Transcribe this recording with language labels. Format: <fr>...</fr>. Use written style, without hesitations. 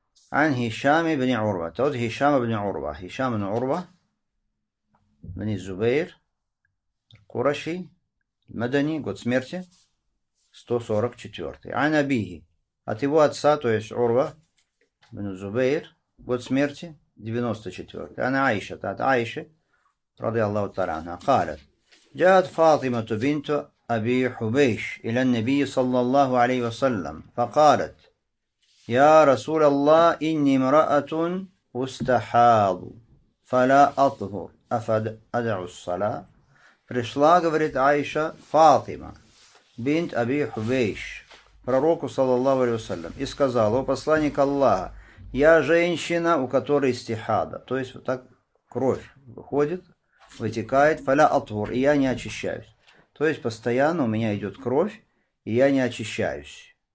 <ru>Ан Хишам ибн Урва, тот Хишам ибн Урва. Хишам ибн Урва, ибн Зубейр, Кураши, Мадани, год смерти, 144. Ан Абихи, от его отца, то есть Урва, ибн Зубейр, год смерти, 94. Она Айша, от Айши,</ru> <ar>ради Аллаху Тарана, قالت: جاءت فاطمة بنت أبي حبيش إلى النبي صلى الله عليه وسلم فقالت: يا رسول الله إني امرأة مستحاض فلا أطهر أدعو الصلاة.</ar> <ru>Пришла, говорит Айша, فاطمة بنت أبي حبيش пророку صلى الله عليه وسلم и сказала: о посланник Аллаха, я женщина, у которой истихада. То есть вот так кровь выходит, вытекает.</ru> <ar>Фаля атвор,</ar> <ru>и я не очищаюсь. То есть постоянно у меня идет кровь, и я не очищаюсь.</ru>